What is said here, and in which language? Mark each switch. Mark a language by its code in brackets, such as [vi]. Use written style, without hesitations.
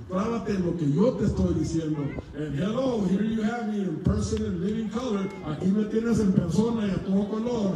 [es] Clávate en lo que yo te estoy diciendo. [en] And hello, here you have me in person and living color. [es] Aquí me tienes en persona y a todo color.